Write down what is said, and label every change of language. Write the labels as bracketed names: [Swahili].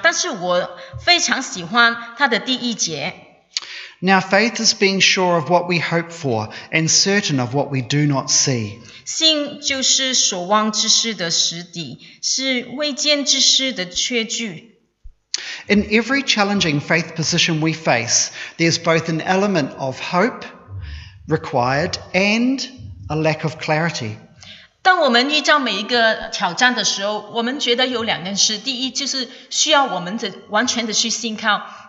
[Chinese] 我们不会念整个十一章整章，但是我非常喜欢它的第一节。 [English] Now faith is being sure of what we hope for and certain of what we do not see. [Chinese] 信就是所望之事的实底，是未见之事的确据。 [English] In every challenging faith position we face, there's both an element of hope required and a lack of clarity. [Chinese] 当我们遇到每一个挑战的时候，我们觉得有两件事，第一就是需要我们完全的去信靠。